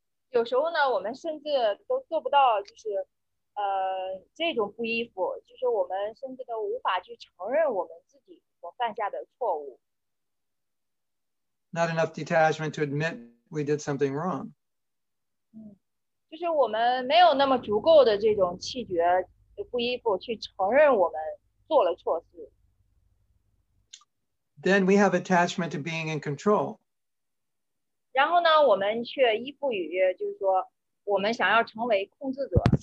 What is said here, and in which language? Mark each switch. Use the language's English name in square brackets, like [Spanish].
[Chinese] 有时候呢，我们甚至都做不到，就是。这种不依附，就是我们甚至都无法去承认我们自己所犯下的错误。 [English] Not enough detachment to admit we did something wrong. [Chinese] 就是我们没有那么足够的这种气绝不依附去承认我们做了错事。 [English] Then we have attachment to being in control. [Chinese] 然后呢，我们却依附于就是说我们想要成为控制者。